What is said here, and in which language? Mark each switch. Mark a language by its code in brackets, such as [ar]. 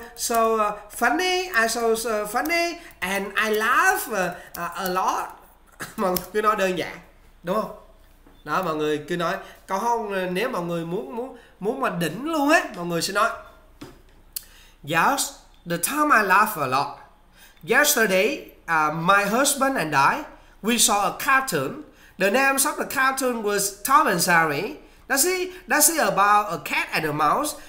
[en] I felt so funny and I laugh a lot. [vi] Mọi người cứ nói đơn giản, đúng không? Đó, mọi người cứ nói. Còn không, nếu mọi người muốn muốn muốn mà đỉnh luôn ấy, mọi người sẽ nói [en] yes, the time I laugh a lot. Yesterday, my husband and I, we saw a cartoon. The name of the cartoon was Tom and Jerry. That's it about a cat and a mouse.